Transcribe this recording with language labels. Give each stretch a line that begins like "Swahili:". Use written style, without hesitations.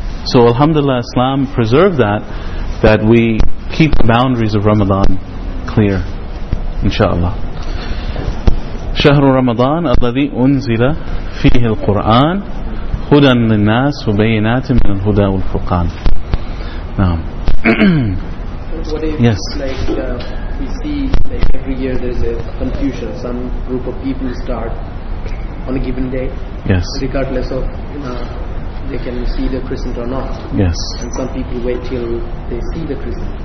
English: So alhamdulillah, Islam preserved that we keep the boundaries of Ramadan clear, inshallah.
Arabic: شهر رمضان الذي أنزل فيه القرآن هدى للناس وبينات من الهدى والفرقان.
English: Now, what if, yes. We see like every year there's a confusion. Some group of people start on a given day, yes, regardless of they can see the crescent or not. Yes, and some people wait till they see the crescent.